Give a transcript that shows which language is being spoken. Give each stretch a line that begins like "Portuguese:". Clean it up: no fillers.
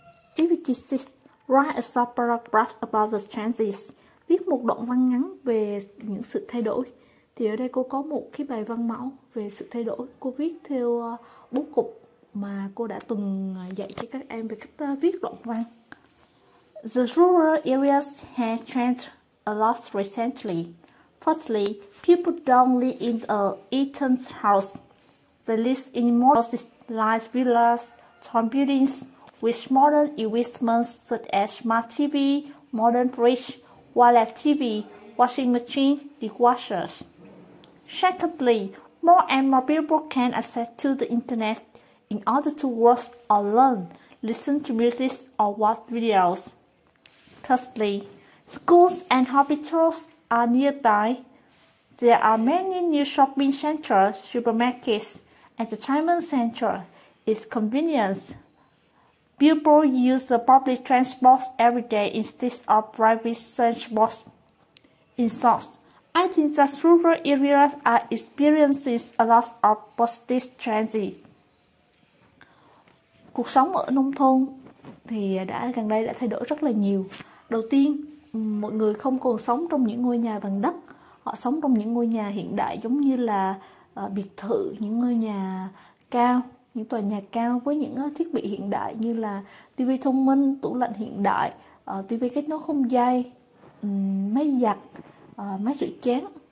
English: Activity 6. Write a short paragraph about the changes.
Vietnamese: Viết một đoạn văn ngắn về những sự thay đổi. Thì ở đây cô có một cái bài văn mẫu về sự thay đổi. Cô viết theo bố cục mà cô đã từng dạy cho các em về cách viết đoạn văn.
English: The rural areas have changed a lot recently. Firstly, people don't live in a eaten house. They live in more houses like villas, tall buildings, with modern equipment such as smart TV, modern fridge, wireless TV, washing machines, dishwashers. Secondly, more and more people can access to the internet in order to watch or learn, listen to music or watch videos. Thirdly, schools and hospitals are nearby. There are many new shopping centers, supermarkets, entertainment centers. It's convenient. People use the public transport every day instead of private transport. In short, I think that rural areas are experiencing a lot of positive changes.
Vietnamese: Cuộc sống ở nông thôn thì gần đây đã thay đổi rất là nhiều. Đầu tiên, mọi người không còn sống trong những ngôi nhà bằng đất. Họ sống trong những ngôi nhà hiện đại giống như là biệt thự, những ngôi nhà cao, những tòa nhà cao với những thiết bị hiện đại như là TV thông minh, tủ lạnh hiện đại, TV kết nối không dây, máy giặt, máy rửa chén.